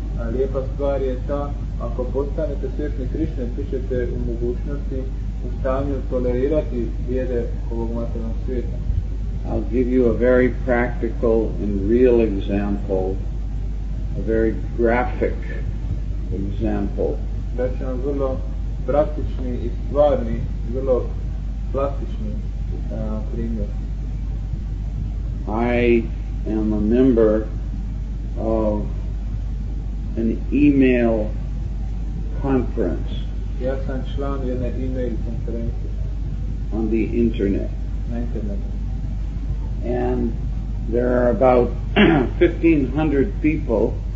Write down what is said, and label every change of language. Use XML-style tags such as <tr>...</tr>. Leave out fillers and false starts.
<hr>A lijepa stvar je ta, ako postanete svjesni Krishna, vi ćete u mogućnosti u stanju tolerirati bijede ovog materijalnog svijeta.</hr> <en>I'll give you a very practical and real example, a very graphic example.</en> <hr>Daću vam vrlo praktični i stvarni, vrlo plastični primjer.</hr> <en>I am a member of an email conference.</en> <hr>Ja sam član jedne email konferencije.</hr> <en>On the internet.</en> <hr>Na internetu.</hr> <en>And there are about 1,500 people.</en>